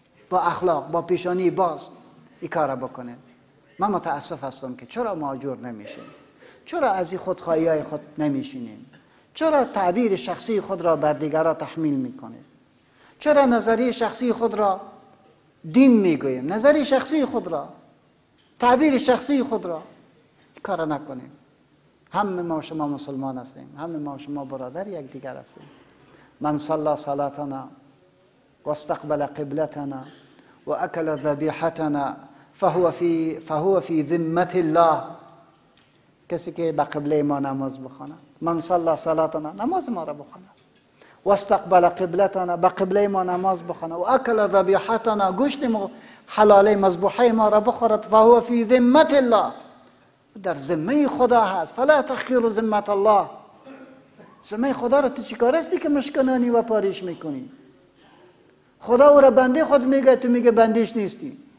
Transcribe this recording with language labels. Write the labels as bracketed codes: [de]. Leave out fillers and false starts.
[fa] با اخلاق، با پیشانی باز این کار را بکنید. من متاسف هستم که چرا ماجور نمیشیم؟ چرا از این خودخواهی های خود نمیشینیم؟ چرا تعبیر شخصی خود را بر دیگران تحمیل میکنیم؟ چرا نظری شخصی خود را دین میگوییم؟ نظری شخصی خود را، تعبیر شخصی خود را، این کار را نکنیم. همه ما شما مسلمان هستیم، همه ما شما برادر یک دیگر هستیم. [ar] من صلى صلاتنا واستقبل قبلتنا واكل ذبيحتنا فهو في ذمه الله. [fa] كسي كي بقبله ما نماز بخونه. [ar] من صلى صلاتنا [fa] نماز ما را بخونه، [ar] واستقبل قبلتنا [fa] بقبله ما نماز بخونه، [ar] واكل ذبيحتنا [fa] گوشت ما حلال مذبوحه ما را بخورد، [ar] فهو في ذمه الله، [fa] در ذمه خدا هست. [ar] فلا تخيروا ذمه الله. [fa] سمه خدا را تو چیکار هستی که مشکنانی و پاریش میکنی؟ خدا او را بنده خود میگه، تو میگه بندیش نیستی.